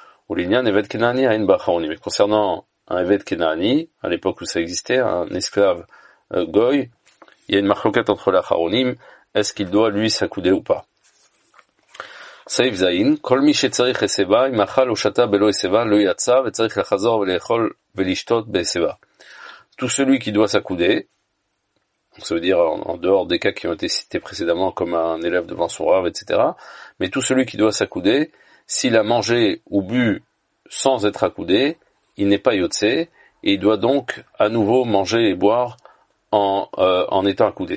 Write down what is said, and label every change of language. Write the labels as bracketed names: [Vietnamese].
[French] Ulinyan évêque kenani a une bachaoni. Mais concernant un évêque kenani, à l'époque où ça existait, un esclave goy, il y a une machloket entre la haronim, est-ce qu'il doit lui s'accouder ou pas? [Hebrew] סעיף זין, כל מי שצריך הסיבה, אם אכל או שתה בלא הסיבה, לא יצא, וצריך לחזור ולאכול ולשתות בהסיבה. [French] Tout celui qui doit s'accouder, ça veut dire en dehors des cas qui ont été cités précédemment, comme un élève devant son rave, etc. Mais tout celui qui doit s'accouder, s'il a mangé ou bu sans être accoudé, il n'est pas yotse, et il doit donc à nouveau manger et boire en étant accoudé.